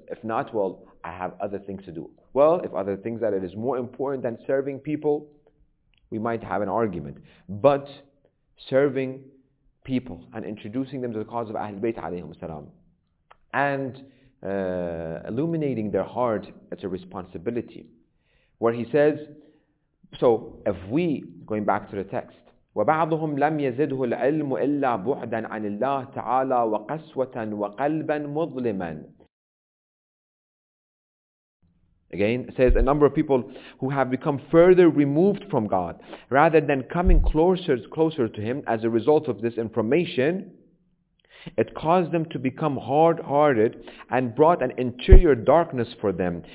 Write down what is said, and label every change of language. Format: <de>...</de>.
<en>If not, well, I have other things to do. Well, if other things that it is more important than serving people, we might have an argument. But serving people and introducing them to the cause of Ahl Bayt alayhim salam and illuminating their heart, it's a responsibility. Where he says, so if we, going back to the text,</en> <ar>وَبَعْضُهُمْ لَمْ يَزِدْهُ الْعِلْمُ إِلَّا بُعْدًا عَنِ اللَّهِ تَعَالَى وَقَسْوَةً وَقَلْبًا مُظْلِمًا.</ar> <en>Again, it says a number of people who have become further removed from God rather than coming closer to Him as a result of this information, it caused them to become hard-hearted and brought an interior darkness for them.</en>